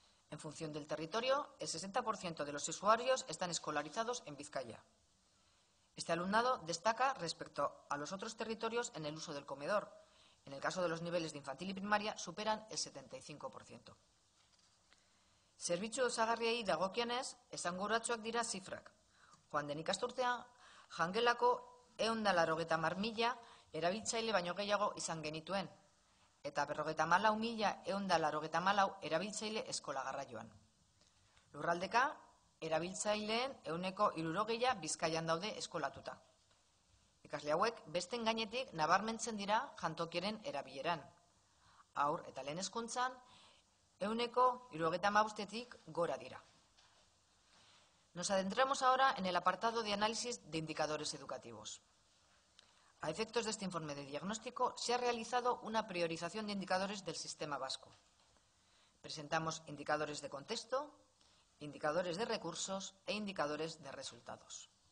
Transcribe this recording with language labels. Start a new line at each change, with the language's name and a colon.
Spanish: En función del territorio, el 60% de los usuarios están escolarizados en Vizcaya. Este alumnado destaca respecto a los otros territorios en el uso del comedor. En el caso de los niveles de infantil y primaria, superan el 75%.
Basque: Zerbitzu osagarriei dagokienez, esanguratsuak dira zifrak. Joan den ikasturtea, jangelako 180.000 erabiltzaile baino gehiago izan genituen, eta 54.184 erabiltzaile eskola garraioan. Lurraldeka, erabiltzaileen 160% Bizkaian daude eskolatuta. Ikasle hauek, besten gainetik nabarmentzen dira jantokiaren erabileran. Aur eta lehen hezkuntzan, 165%-tik gora dira.
Spanish: Nos adentramos ahora en el apartado de análisis de indicadores educativos. A efectos de este informe de diagnóstico, se ha realizado una priorización de indicadores del sistema vasco. Presentamos indicadores de contexto, indicadores de recursos e indicadores de resultados.